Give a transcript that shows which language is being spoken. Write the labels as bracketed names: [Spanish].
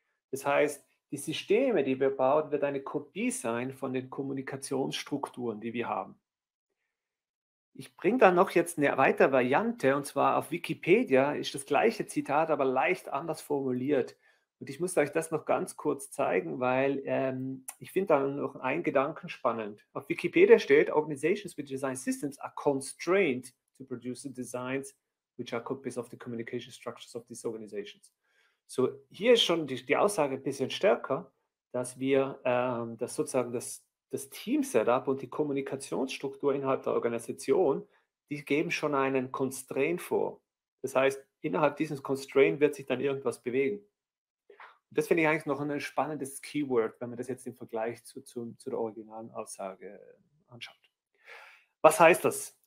[German] Das heißt, die Systeme, die wir bauen, wird eine Kopie sein von den Kommunikationsstrukturen, die wir haben. Ich bringe da noch jetzt eine weitere Variante, und zwar auf Wikipedia ist das gleiche Zitat, aber leicht anders formuliert. Und ich muss euch das noch ganz kurz zeigen, weil ich finde da noch einen Gedanken spannend. Auf Wikipedia steht, [English] Organizations with design systems are constrained to produce the designs which are copies of the communication structures of these organizations. [German] So, hier ist schon die Aussage ein bisschen stärker, dass wir das sozusagen das Team-Setup und die Kommunikationsstruktur innerhalb der Organisation, die geben schon einen Constraint vor. Das heißt, innerhalb dieses Constraint wird sich dann irgendwas bewegen. Und das finde ich eigentlich noch ein spannendes Keyword, wenn man das jetzt im Vergleich zu der originalen Aussage anschaut. Was heißt das?